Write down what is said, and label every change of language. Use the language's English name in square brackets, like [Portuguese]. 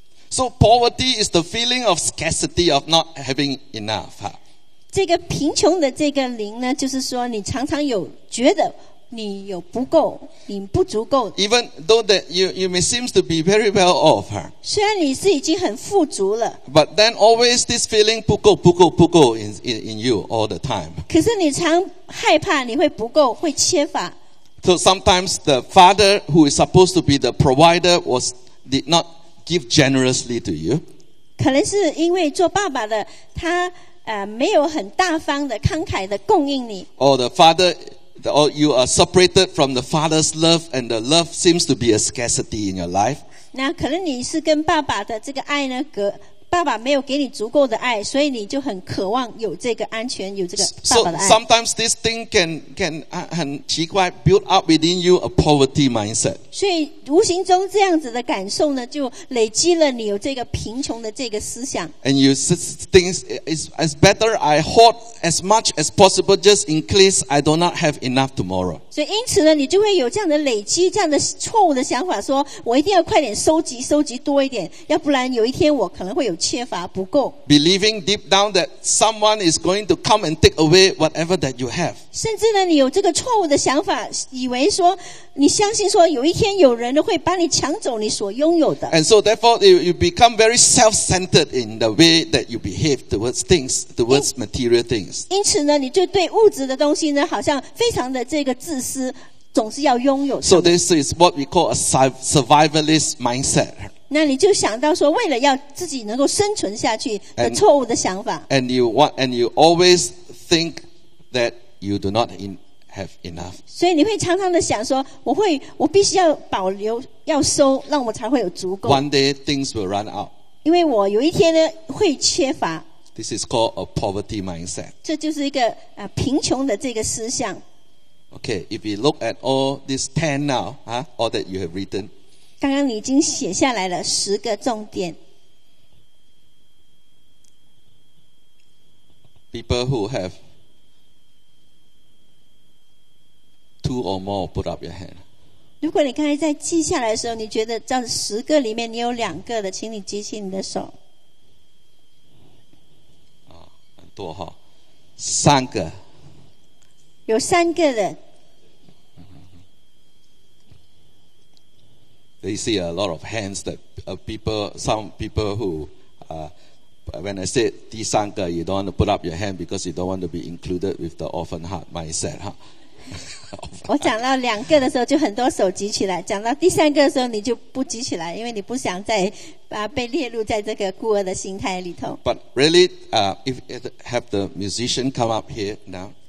[English] So poverty is the feeling of scarcity, of not having enough. [Chinese] 这个贫穷的这个灵呢, 就是说你常常有觉得你有不够, 你不足够。 [English] Even though that you may seem to be very well off, [Chinese] 虽然你是已经很富足了, [English] but then always this feeling [Chinese] 不够 [English] in you all the time. [Chinese] 可是你常害怕你会不够, 会缺乏。 [English] So sometimes the father who is supposed to be the provider did not give generously to you. [Chinese] 可能是因为做爸爸的, 他没有很大方的, 慷慨的供应你。 [English] Or the father, or you are separated from the father's love, and the love seems to be a scarcity in your life. [Chinese] 那可能你是跟爸爸的这个爱呢，爸爸没有给你足够的爱，所以你就很渴望有这个安全，有这个爸爸的爱。 [English] So sometimes this thing can [Chinese] 很奇怪 [English] build up within you a poverty mindset. [Chinese] 所以无形中这样子的感受呢，就累积了你有这个贫穷的这个思想。 [English] And you think it's better I hoard as much as possible just in case I do not have enough tomorrow. [Chinese] 所以因此呢，你就会有这样的累积，这样的错误的想法，说我一定要快点收集，收集多一点，要不然有一天我可能会有缺乏不够。 [English] Believing deep down that someone is going to come and take away whatever that you have. [Chinese] 甚至呢，你有这个错误的想法，以为说你相信说有一天有人会把你抢走你所拥有的。 [English] And so therefore you become very self-centered in the way that you behave towards things, towards material things. [Chinese] 因此呢，你就对物质的东西呢，好像非常的这个自私，总是要拥有。 [English] So this is what we call a survivalist mindset. [Chinese] 那你就想到说，为了要自己能够生存下去的错误的想法。 [English] And you always think that you do not have enough. [Chinese] 所以你会常常的想说，我必须要保留，要收，让我才会有足够。 [English] One day things will run out. [Chinese] 因为我有一天呢会缺乏。 [English] This is called a poverty mindset. [Chinese] 这就是一个贫穷的这个思想。 [English] Okay, if you look at all these ten now, all that you have written. [Chinese] 刚刚你已经写下来了十个重点。 [English] People who have two or more, put up your hand. [Chinese] 如果你刚才在记下来的时候，你觉得这十个里面你有两个的，请你举起你的手。很多哈，三个。有三个的。 [English] They see a lot of hands that some people who when I say [Chinese] 第三个 [English] you don't want to put up your hand because you don't want to be included with the orphan heart mindset. Huh? [Chinese] 我讲到两个的时候就很多手举起来，讲到第三个的时候你就不举起来，因为你不想再被列入在这个孤儿的心态里头。 [English] But really, if it have the musician come up here now.